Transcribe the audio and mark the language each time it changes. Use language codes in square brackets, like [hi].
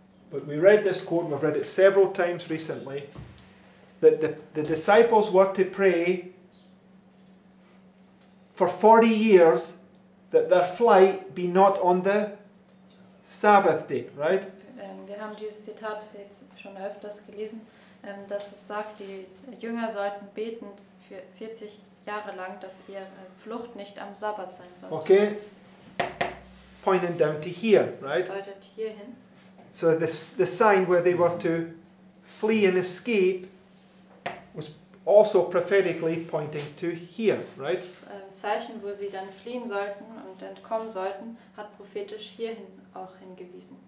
[en] But we read this quote, we've read it several times recently, that the disciples were to pray for 40 years that their flight be not on the Sabbath day, right? [de] Wir haben dieses Zitat jetzt schon öfters gelesen, dass es sagt, die Jünger sollten beten für 40 Jahre lang, dass ihre Flucht nicht am Sabbat sein soll. [en] Okay. Pointing down to here, right? [de] Das deutet hierhin. [en] So the sign where they were to flee and escape was also prophetically pointing to here, right? [de] Das Zeichen, wo sie dann fliehen sollten und entkommen sollten, hat prophetisch hierhin auch hingewiesen.